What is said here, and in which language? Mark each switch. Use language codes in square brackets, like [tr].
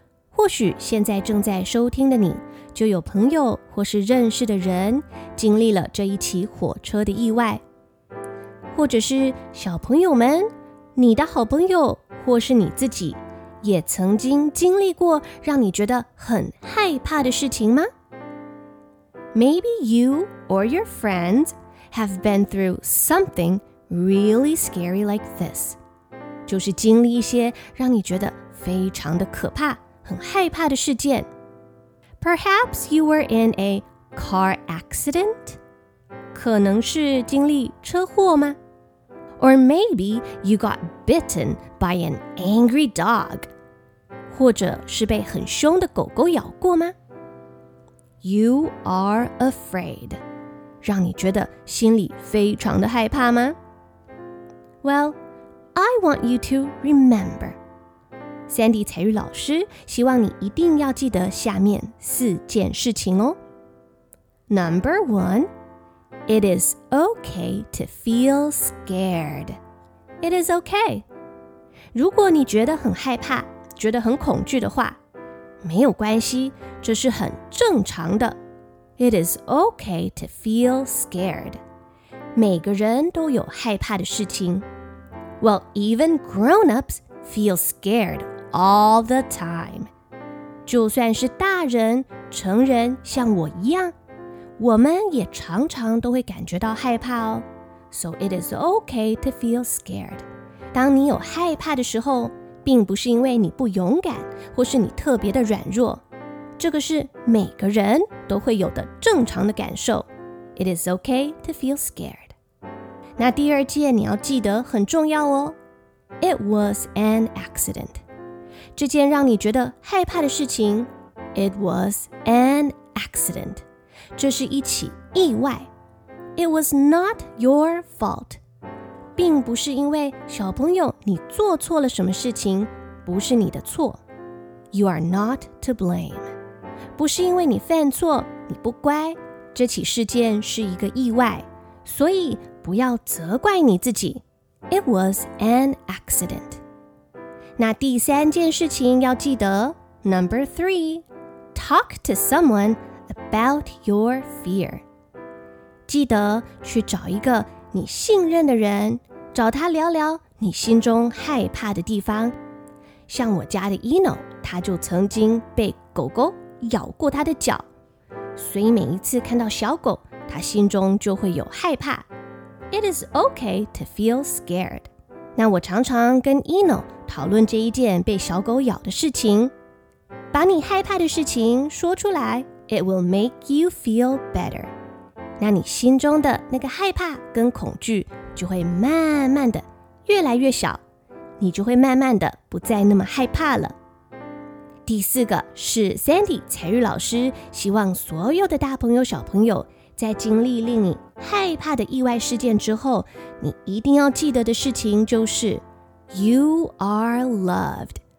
[zh] 或许现在正在收听的你，就有朋友或是认识的人经历了这一起火车的意外，或者是小朋友们，你的好朋友或是你自己，也曾经经历过让你觉得很害怕的事情吗？ [en] Maybe you or your friends have been through something really scary like this. [zh] 就是经历一些让你觉得非常的可怕，很害怕的事件。 [en] Perhaps you were in a car accident? [zh] 可能是经历车祸吗？ [en] Or maybe you got bitten by an angry dog? [zh] 或者是被很凶的狗狗咬过吗？ [en] You are afraid. [zh] 让你觉得心里非常的害怕吗？ [en] Well, I want you to remember. [zh] Sandy 彩玉老师希望你一定要记得下面四件事情哦。 [en] Number one, it is okay to feel scared. It is okay. [zh] 如果你觉得很害怕，觉得很恐惧的话，没有关系，这是很正常的。 [en] It is okay to feel scared. [zh] 每个人都有害怕的事情。 [en] Well, even grown-ups feel scared all the time. [zh] 就算是大人、成人像我一样，我们也常常都会感觉到害怕哦。 [en] So it is okay to feel scared. [zh] 当你有害怕的时候，并不是因为你不勇敢，或是你特别的软弱。这个是每个人都会有的正常的感受。 [en] It is okay to feel scared. [zh] 那第二件你要记得很重要哦。 [en] It was an accident. [zh] 这件让你觉得害怕的事情， [en] It was an accident. [zh] 这是一起意外。 [en] It was not your fault. [zh] 并不是因为小朋友你做错了什么事情，不是你的错。 [en] You are not to blame. [zh] 不是因为你犯错，你不乖，这起事件是一个意外，所以不要责怪你自己。 [en] It was an accident. [zh] 那第三件事情要记得 [en] Number three, talk to someone about your fear. [zh] 记得去找一个你信任的人，找他聊聊你心中害怕的地方。像我家的 Eno, 他就曾经被狗狗咬过他的脚，所以每一次看到小狗，他心中就会有害怕。 [en] It is okay to feel scared. [zh] 那我常常跟 Eno 讨论这一件被小狗咬的事情。把你害怕的事情说出来， [en] It will make you feel better. [zh] 那你心中的那个害怕跟恐惧就会慢慢的越来越小，你就会慢慢的不再那么害怕了。第四个是 Sandy 彩玉老师希望所有的大朋友小朋友在经历令你害怕的意外事件之后，你一定要记得的事情就是 [en] You are loved.